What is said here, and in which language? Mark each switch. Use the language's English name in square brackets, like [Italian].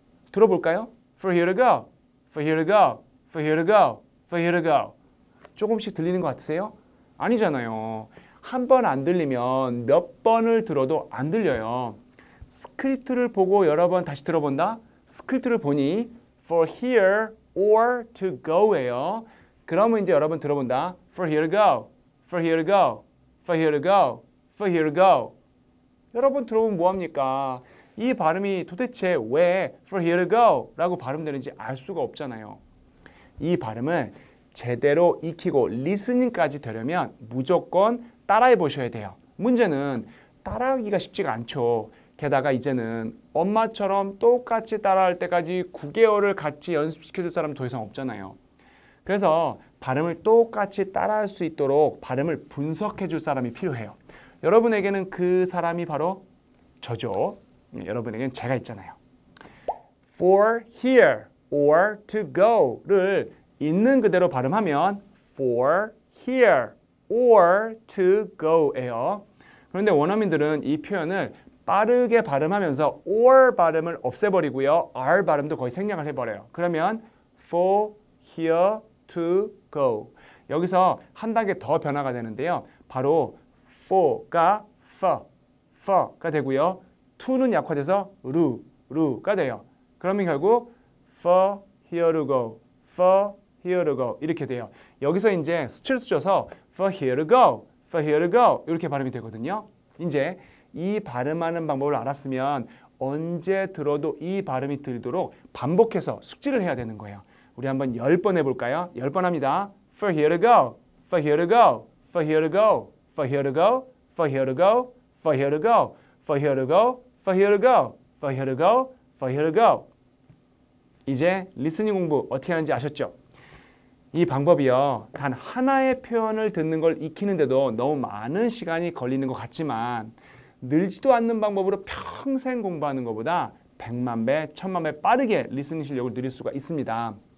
[Korean] 들어볼까요? [English] For here to go. For here to go. For here to go. For here to go. [Korean] 조금씩 들리는 것 같으세요? 아니잖아요. 한 번 안 들리면 몇 번을 들어도 안 들려요. 스크립트를 보고 여러 번 다시 들어본다? 스크립트를 보니 [English] for here or to go예요. [Korean] 그러면 이제 여러분 들어본다. [English] For here to go. For here to go. For here to go. For here to go. [Korean] 여러분 들어보면 뭐합니까? 이 발음이 도대체 왜 [English] for here to go [Korean] 라고 발음되는지 알 수가 없잖아요. 이 발음을 제대로 익히고 리스닝까지 되려면 무조건 따라해 보셔야 돼요. 문제는 따라하기가 쉽지가 않죠. 게다가 이제는 엄마처럼 똑같이 따라할 때까지 9개월을 같이 연습시켜줄 사람은 더 이상 없잖아요. 그래서 발음을 똑같이 따라할 수 있도록 발음을 분석해줄 사람이 필요해요. 여러분에게는 그 사람이 바로 저죠. 여러분에게는 제가 있잖아요. [English] For here or to go를 [Korean] 있는 그대로 발음하면 [English] for here or to go예요. [Korean] 그런데 원어민들은 이 표현을 빠르게 발음하면서 or 발음을 없애버리고요. r 발음도 거의 생략을 해버려요. 그러면 [English] for here to go. [Korean] 여기서 한 단계 더 변화가 되는데요. 바로 for가 for가 되고요. to는 약화돼서 ru가 돼요. 그러면 결국 [English] for here to go, for here to go [Korean] 이렇게 돼요. 여기서 이제 수치를 쓰셔서 [English] for here to go, for here to go [Korean] 이렇게 발음이 되거든요. 이제 이 발음하는 방법을 알았으면 언제 들어도 이 발음이 들리도록 반복해서 숙지를 해야 되는 거예요. 우리 한번 10번 해볼까요? 10번 합니다. [English] For here to go, for here to go, for here to go, for here to go, for here to go, for here to go, for here to go, for here to go, for here to go, for here to go. [Korean] 이제 리스닝 공부 어떻게 하는지 아셨죠? 이 방법이요. 단 하나의 표현을 듣는 걸 익히는데도 너무 많은 시간이 걸리는 것 같지만 늘지도 않는 방법으로 평생 공부하는 것보다 백만 배, 천만 배 빠르게 리스닝 실력을 늘릴 수가 있습니다.